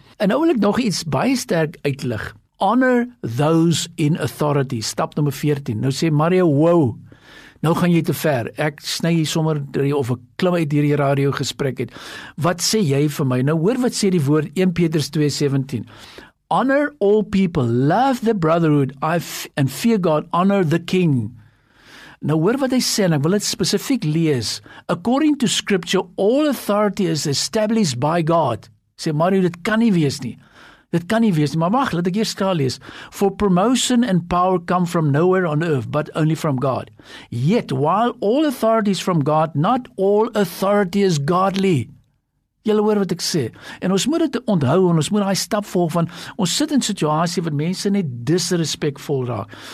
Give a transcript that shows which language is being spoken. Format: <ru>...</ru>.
<af>En nou wil ek nog iets baie sterk uitlig.</af> <en>Honor those in authority.</en> <af>Stap nummer 14. Nou sê Mario, wow, nou gaan jy te ver. Ek sny hier sommer of ek klim uit hier die radio gesprek het. Wat sê jy vir my? Nou hoor wat sê die woord 1 Petrus 2:17.</af> <en>Honor all people, love the brotherhood, and fear God, honor the king.</en> <af>Nou hoor wat hy sê, en ek wil dit spesifiek lees.</af> <en>According to scripture, all authority is established by God.</en> <af>Sê Mario, dit kan nie wees nie. Dit kan nie wees nie, maar wag, laat ek eers klaar lees.</af> <en>For promotion and power come from nowhere on earth, but only from God. Yet, while all authority is from God, not all authority is godly.</en> <af>Julle hoor wat ek sê. En ons moet dit onthou en ons moet daai stap volg van ons sit in situasie wat mense net disrespekvol raak.</af>